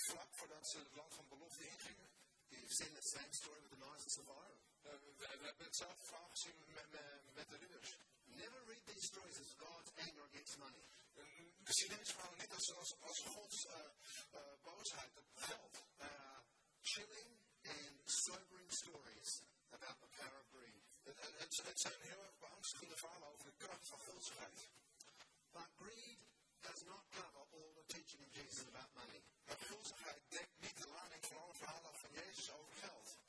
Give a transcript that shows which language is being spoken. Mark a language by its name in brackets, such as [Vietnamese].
[Dutch] Voordat ze het land van belofte ingingen. [English] You've seen the same story with the Nice Survivor. [Dutch] we hebben het zelf vaak gezien met de ruwers. [English] Never read these stories as God's anger against money. [Dutch] We zien deze verhalen niet als Gods boosheid op geld. [English] Chilling and sobering stories about the power of greed. [Dutch] Het zijn heel erg beangstigende verhalen over de kracht van geldzaamheid. [English] But greed does not cover all the teaching of Jesus about money. [Dutch] Maar geldzaamheid dekt niet de lading van alle verhalen van Jezus over geld.